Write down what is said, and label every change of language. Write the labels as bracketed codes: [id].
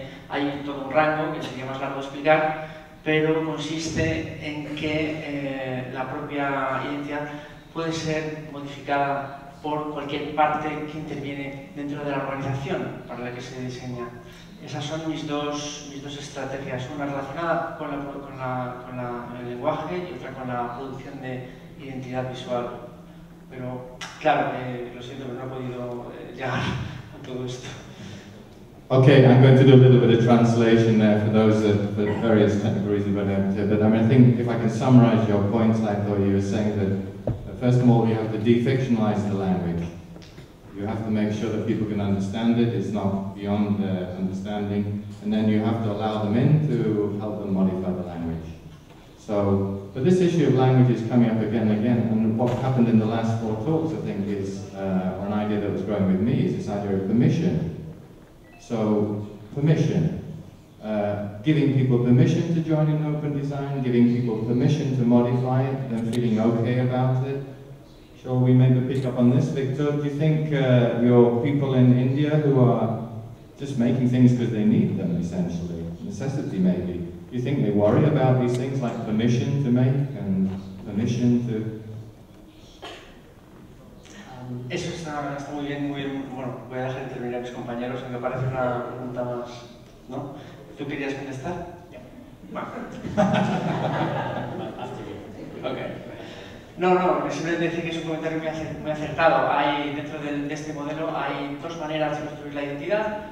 [es] hay todo un rango que sería más largo de explicar, pero consiste en que la propia identidad puede ser modificada por cualquier parte que interviene dentro de la organización para la que se diseña. Esas son mis dos estrategias, una relacionada con el lenguaje y otra con la producción de identidad visual. Pero, claro, lo siento, pero no he podido llegar a todo esto. [en] Okay, I'm going to do a little bit of translation there for those of the various categories you went into. But I mean, I think if I can summarize your points, I thought you were saying that first of all, we have to defictionalize the language. You have to make sure that people can understand it. It's not beyond their understanding. And then you have to allow them in to help them modify the language. So, but this issue of language is coming up again and again. And what happened in the last four talks, I think, is an idea that was growing with me, is this idea of permission. So, permission. Giving people permission to join in open design, giving people permission to modify it, then feeling okay about it. Shall we maybe pick up on this, Victor? Do you think your people in India who are just making things because they need them, essentially, necessity maybe, do you think they worry about these things like permission to make and permission to... [es] Eso está muy bien, muy bien. Bueno, voy a dejar intervenir a mis compañeros, me parece una pregunta más, ¿no? ¿Tú querías contestar? Bueno. [en] Okay. [es] No, no, simplemente decir que es un comentario muy acertado. Hay, dentro de este modelo hay dos maneras de construir la identidad.